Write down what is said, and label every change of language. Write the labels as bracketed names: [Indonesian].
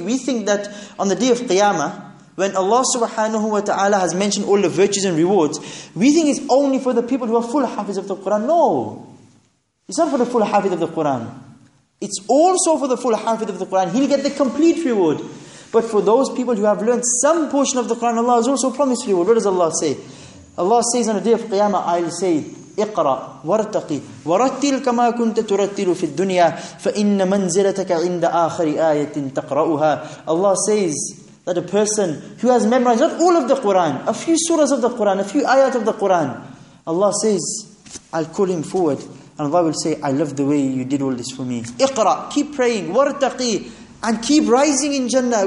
[English] We think that on the day of Qiyamah, when Allah subhanahu wa ta'ala has mentioned all the virtues and rewards, we think it's only for the people who are full hafiz of the Quran. No. It's not for the full hafiz of the Quran. It's also for the full hafiz of the Quran. He'll get the complete reward. But for those people who have learned some portion of the Quran, Allah has also promised reward. What does Allah say? Allah says on the day of Qiyamah, I'll say, [Arabic] اقرأ وارتقي ورتل كما كنت ترتل في الدنيا فإن منزلتك عند آخر آية تقرأها. [English] Allah says that a person who has memorized not all of the Quran, a few surahs of the Quran, a few ayat of the Quran, Allah says, I'll call him forward. And Allah will say, I love the way you did all this for me. Iqra, keep praying, wartaqi, and keep rising in Jannah.